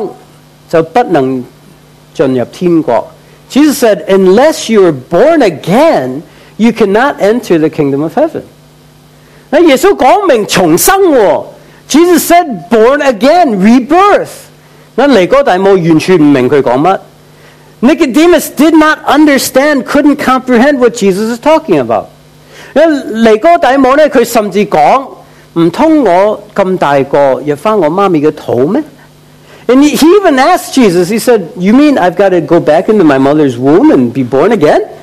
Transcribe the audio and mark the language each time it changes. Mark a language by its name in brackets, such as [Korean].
[Chinese] 你若不重生，就不能进入天国。 [English] Jesus said, unless you are born again, you cannot enter the kingdom of heaven. [Chinese] 耶稣说明重生， [English] Jesus said, born again, rebirth. [Chinese] 那尼哥底母完全不明白他说什么。 [English] Nicodemus did not understand, couldn't comprehend what Jesus is talking about. [Chinese] 尼哥底母甚至说， 难道我这么大个入我妈咪的肚吗？ [English] And he even asked Jesus, he said, you mean I've got to go back into my mother's womb and be born again?